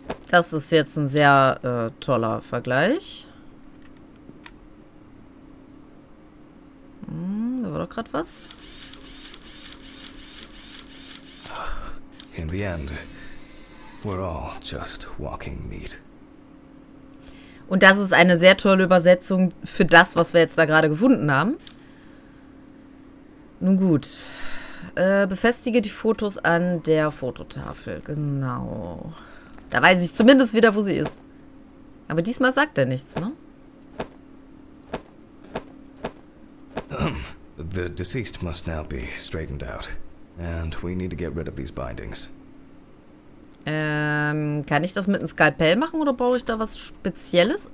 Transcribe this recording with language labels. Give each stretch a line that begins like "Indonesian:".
German: Das ist jetzt ein sehr toller Vergleich. Da war doch gerade was.
English: In the end, we're all just walking meat.
German: Und das ist eine sehr tolle Übersetzung für das, was wir jetzt da gerade gefunden haben. Nun gut. Befestige die Fotos an der Fototafel. Genau. Da weiß ich zumindest wieder, wo sie ist. Aber diesmal sagt er nichts, ne?
English: The deceased must now be straightened out. And we need to get rid of these bindings.
German: Kann ich das mit einem Skalpell machen oder brauche ich da was Spezielles?